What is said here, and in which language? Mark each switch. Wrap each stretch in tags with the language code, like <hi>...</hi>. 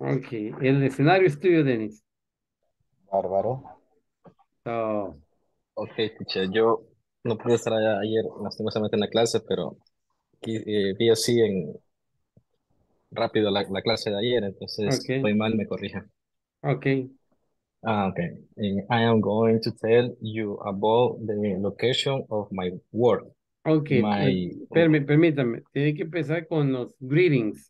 <es>El escenario es tuyo, Dennis. Bárbaro. Oh. Ok, teacher, yo no pude estar allá ayer lastimosamente en la clase, pero vi así en rápido la clase de ayer, entonces okay. Estoy mal, me corrija. Ok.</es> <en>I am going to tell you about the location of my work.</en> <es>Ok, permítame, tiene que empezar con los greetings.</es>